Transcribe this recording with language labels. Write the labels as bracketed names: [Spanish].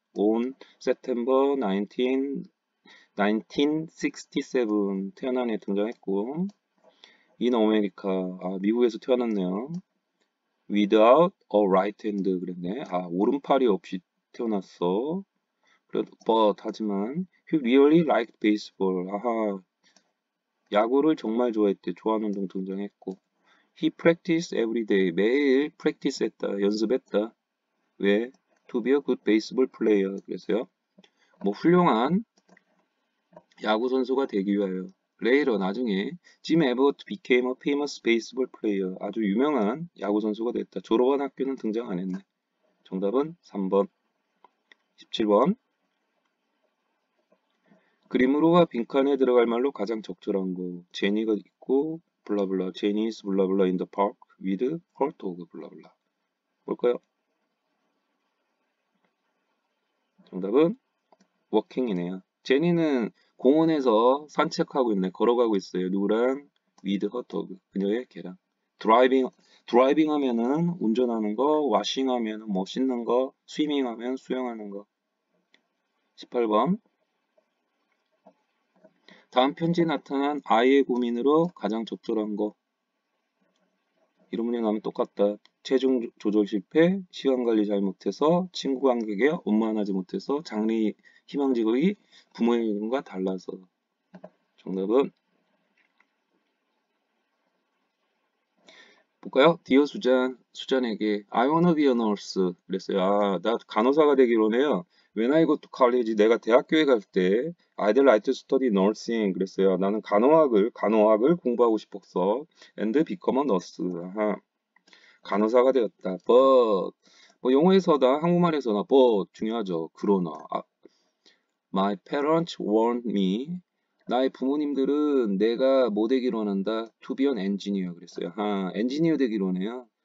[English] On September 1967. [Korean] 태어난 해 등장했고. [English] In America. [Korean] 미국에서 태어났네요. [English] Without a right hand. [Korean] 그랬네. 오른팔이 없이 태어났어. [English] But [Korean] 하지만 [English] he really liked baseball. [Korean] 야구를 정말 좋아했대. 좋아하는 운동 등장했고. [English] He practiced every day. [Korean] 매일 practice 했다. 연습했다. 왜? [English] To be a good baseball player. [Korean] 그래서요. 뭐, 훌륭한 야구선수가 되기 위하여. [English] Later, [Korean] 나중에. [English] Jim Abbott became a famous baseball player. [Korean] 아주 유명한 야구선수가 됐다. 졸업한 학교는 등장 안 했네. 정답은 3번. 17번. 그림으로가 빈칸에 들어갈 말로 가장 적절한 거. 제니가 있고, 블라블라. [English] 제니 is 블라블라 in the park with her dog 블라블라. [Korean] 볼까요? 정답은 워킹이네요. 제니는 공원에서 산책하고 있네. 걸어가고 있어요. 누구랑? [English] with her dog. [Korean] 그녀의 개랑. 드라이빙 하면은 운전하는 거, 와싱 하면은 뭐 씻는 거, 스위밍 하면 수영하는 거. 18번. 다음 편지에 나타난 아이의 고민으로 가장 적절한 거. 이런 문제 나오면 똑같다. 체중 조절 실패, 시간 관리 잘 못해서, 친구 관계에 원만하지 못해서, 장래 희망 직업이 부모님과 달라서. 정답은? 볼까요? [English] Dear Susan, [Korean] 수잔에게, [English] I wanna be a nurse. [Korean] 그랬어요. 나 간호사가 되기로 해요. [English] When I go to college, [Korean] 내가 대학교에 갈 때, [English] I'd like to study nursing. [Korean] 그랬어요. 나는 간호학을 공부하고 싶었어. [English] And become a nurse. [Korean] 간호사가 되었다. But, 뭐, 영어에서나, 한국말에서나, but, 중요하죠. 그러나, [English] my parents warned me. [Korean] 나의 부모님들은 내가 뭐 되기로 한다? [English] To be an engineer. [Korean] 그랬어요. 엔지니어 되기로 하네요.